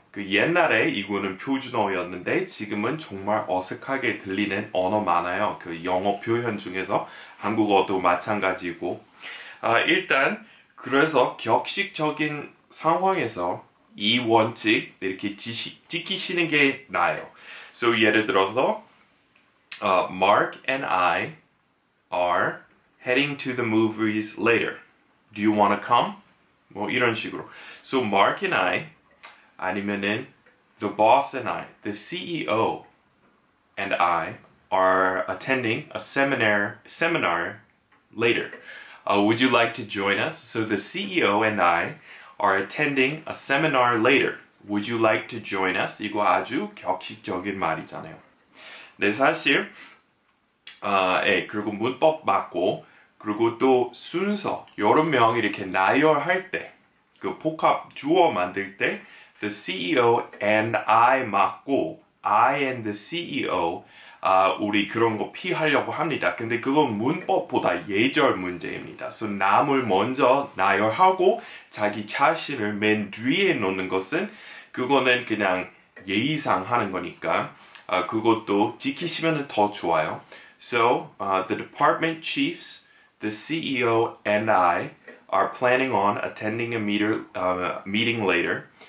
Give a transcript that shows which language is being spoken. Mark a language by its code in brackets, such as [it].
[ko] 그 옛날에 이거는 표준어였는데 지금은 정말 어색하게 들리는 언어 많아요. 그 영어 표현 중에서 한국어도 마찬가지고 일단 그래서 격식적인 상황에서 이 원칙 이렇게 지키시는 게 나아요. [en] So [ko] 예를 들어서 [en] Mark and I are heading to the movies later. Do you want to come? [ko] 뭐 이런 식으로. [en] So Mark and I [ko] 아니면은 [en] the boss and I, the CEO and I are attending a seminar later. Would you like to join us? So the CEO and I are attending a seminar later. Would you like to join us? [ko] 이거 아주 격식적인 말이잖아요. 네, 사실 그리고 문법 맞고 그리고 또 순서 여러 명 이렇게 나열할 때 그 복합 주어 만들 때 [en] the CEO and I [ko] 맞고 [en] I and the CEO [ko] 우리 그런 거 피하려고 합니다. 근데 그건 문법보다 예절 문제입니다. So 남을 먼저 나열하고 자기 자신을 맨 뒤에 놓는 것은 그거는 그냥 예의상 하는 거니까 그것도 지키시면 더 좋아요. [en] So the department chiefs, the CEO and I are planning on attending a meeting later.